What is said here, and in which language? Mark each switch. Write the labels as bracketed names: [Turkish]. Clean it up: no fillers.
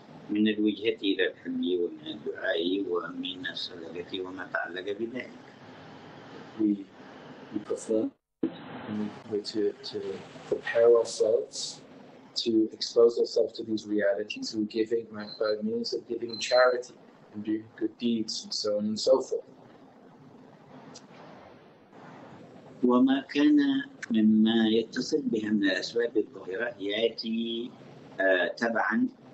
[Arabic] من الوجهة إلى الحمد ومن الدعاء ومن الصلاة وما تعلق بذلك. [English] We perform and we to prepare ourselves to expose ourselves to these realities and giving by means of giving charity and doing good deeds and so on and so forth. [Arabic] وما كان مما يتصل بها من الأسباب الظاهرة يأتي تبعا